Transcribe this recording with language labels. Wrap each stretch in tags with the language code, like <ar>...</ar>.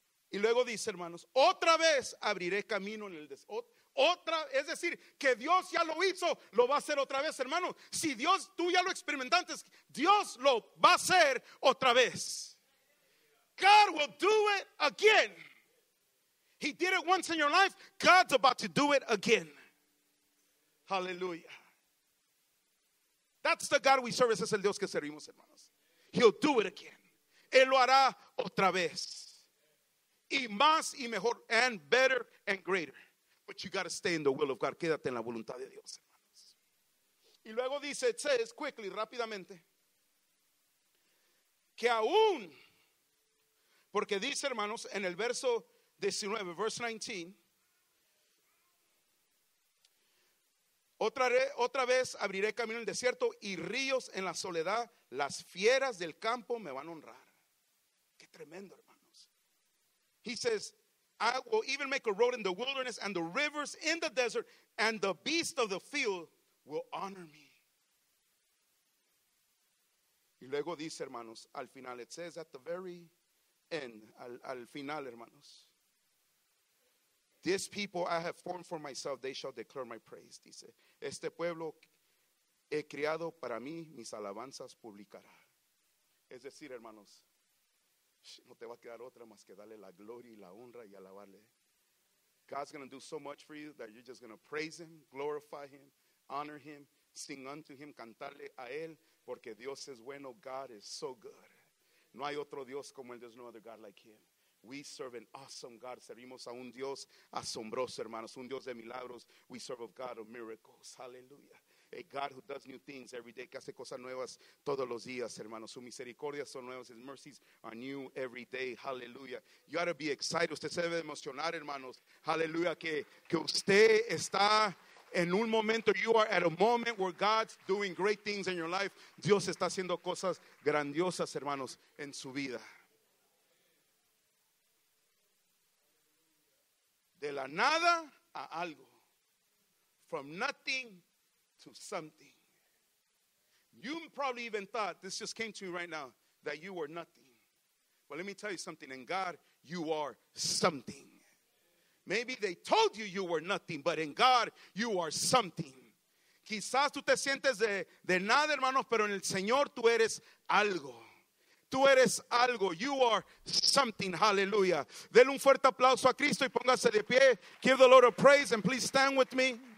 <es>Y luego dice, hermanos, otra vez abriré camino en el desierto. Otra, es decir, que Dios ya lo hizo, lo va a hacer otra vez, hermano. Si Dios, tú ya lo experimentaste, Dios lo va a hacer otra vez.</es> <en>God will do it again. He did it once in your life, God's about to do it again. Hallelujah. That's the God we serve,</en> <es>ese es el Dios que servimos, hermanos.</es> <en>He'll do it again.</en> <es>Él lo hará otra vez. Y más y mejor,</es> <en>and better and greater. But you got to stay in the will of God.</en> <es>Quédate en la voluntad de Dios, hermanos. Y luego dice,</es> <en>it says quickly,</en> <es>rápidamente, que aún, porque dice, hermanos, en el verso 19,</es> <en>verse 19,</en> <es>otra vez abriré camino en el desierto y ríos en la soledad, las fieras del campo me van a honrar. Qué tremendo, hermanos.</es> <en>He says, I will even make a road in the wilderness and the rivers in the desert, and the beast of the field will honor me.</en> <es>Y luego dice, hermanos, al final,</es> <en>it says at the very end,</en> <es>al final, hermanos.</es> <en>This people I have formed for myself, they shall declare my praise, dice.</en> <es>Este pueblo he criado para mí, mis alabanzas publicará. Es decir, hermanos, no te va a quedar otra más que darle la gloria y la honra y alabarle.</es> <en>God's going to do so much for you that you're just going to praise him, glorify him, honor him, sing unto him,</en> <es>cantarle a él,</es> <en>porque Dios es bueno. God is so good.</en> <es>No hay otro Dios como él.</es> <en>There's no other God like him. We serve an awesome God.</en> <es>Servimos a un Dios asombroso, hermanos. Un Dios de milagros.</es> <en>We serve a God of miracles. Hallelujah. A God who does new things every day.</en> <es>Que hace cosas nuevas todos los días, hermanos. Su misericordia son nuevas.</es> <en>His mercies are new every day. Hallelujah. You ought to be excited.</en> <es>Usted se debe emocionar, hermanos. Hallelujah. Que usted está en un momento.</es> <en>You are at a moment where God's doing great things in your life.</en> <es>Dios está haciendo cosas grandiosas, hermanos, en su vida. De la nada a algo.</es> <en>From nothing to something. You probably even thought, this just came to me right now, that you were nothing. But let me tell you something. In God, you are something. Maybe they told you were nothing, but in God, you are something.</en> <es>Quizás tú te sientes de nada, hermanos, pero en el Señor tú eres algo. Tú eres algo.</es> <en>You are something. Hallelujah.</en> <es>Denle un fuerte aplauso a Cristo y póngase de pie.</es> <en>Give the Lord a praise and please stand with me.</en>